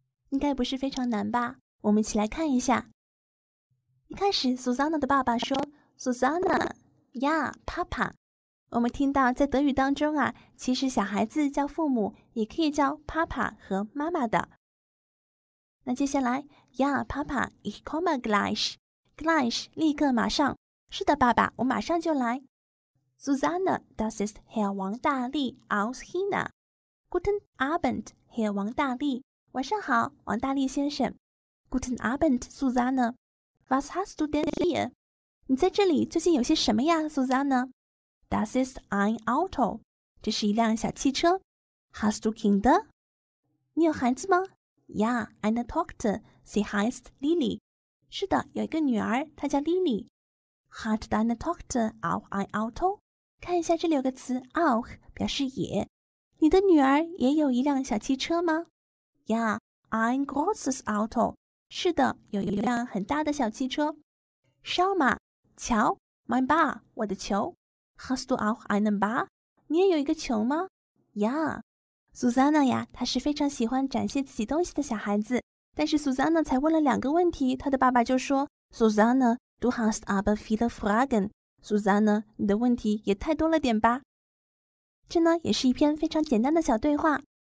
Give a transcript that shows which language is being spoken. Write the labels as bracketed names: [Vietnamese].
[Chinese] 应该不是非常难吧，我们一起来看一下。一开始 Susanne 的爸爸说 Susanne， 呀 Papa。我们听到在德语当中啊，其实小孩子叫父母也可以叫 Papa 和妈妈的。那接下来 [German] Ja, Papa, ich komme gleich. [Chinese] Gleich, 立刻马上。是的爸爸，我马上就来。 [German] Susanne, das ist Herr Wang Dali aus China. Guten Abend, Herr Wang Dali. [Chinese] 晚上好，王大力先生。 [German] Guten Abend, Susanne. Was hast du denn hier? [Chinese] 你在这里最近有些什么呀 Susanne? [German] Das ist ein Auto. [Chinese] 这是一辆小汽车。 [German] Hast du Kinder? [Chinese] 你有孩子吗？ [German] Ja, eine Tochter. Sie heißt Lily. [Chinese] 是的，有一个女儿，她叫 Lily. [German] Hat deine Tochter auch ein Auto? [Chinese] 看一下这里有个词 auch, 表示也。你的女儿也有一辆小汽车吗？ [German] Ja, ein großes Auto. [Chinese] 是的，有一辆很大的小汽车。 [German] Schau mal, 瞧 mein Ball, [Chinese] 我的球。 [German] Hast du auch einen Ball? [Chinese] 你也有一个球吗？呀、yeah, Susanna 呀，她是非常喜欢展现自己东西的小孩子。但是 Susanna 才问了两个问题，她的爸爸就说 [German] Susanna, du hast aber viele Fragen. [Chinese] Susanna, 你的问题也太多了点吧。这呢也是一篇非常简单的小对话。